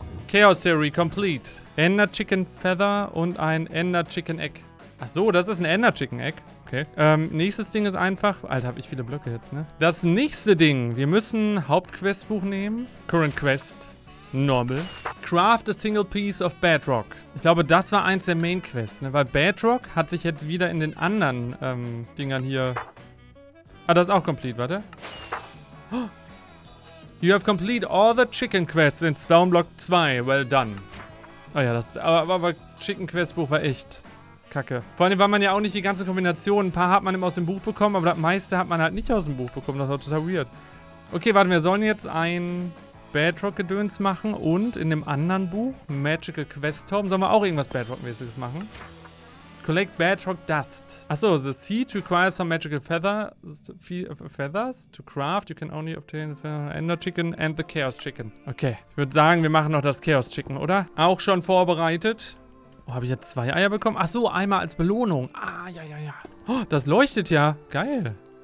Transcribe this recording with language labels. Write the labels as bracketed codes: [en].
[en] Chaos Theory complete. Ender Chicken Feather [de] und ein [en] Ender Chicken Egg. [de] Ach so, das ist ein Ender Chicken Egg. Okay. Nächstes Ding ist einfach. Alter, habe ich viele Blöcke jetzt, ne? Das nächste Ding. Wir müssen Hauptquestbuch nehmen. [en] Current Quest. Normal. Craft a single piece of Bedrock. [de] Ich glaube, das war eins der Main Quests, ne? Weil Bedrock hat sich jetzt wieder in den anderen Dingern hier. Ah, das ist auch complete, warte. [en] You have completed all the chicken quests in Stoneblock 2. Well done. [de] Oh ja, das. Aber Chicken Quest Buch war echt kacke. Vor allem, weil man ja auch nicht die ganzen Kombinationen. Ein paar hat man eben aus dem Buch bekommen, aber das meiste hat man halt nicht aus dem Buch bekommen. Das war total weird. Okay, warte, wir sollen jetzt ein Bedrock-Gedöns machen und in dem anderen Buch, Magical Quest Tome, sollen wir auch irgendwas Bedrock-mäßiges machen? [en] Collect Bedrock Dust. Achso, the seed requires some magical feathers to craft. You can only obtain the Ender Chicken and the Chaos Chicken. [de] Okay, ich würde sagen, wir machen noch das Chaos Chicken, oder? Auch schon vorbereitet. Oh, habe ich jetzt 2 Eier bekommen? Achso, einmal als Belohnung. Ah, ja, ja, ja. Oh, das leuchtet ja. Geil.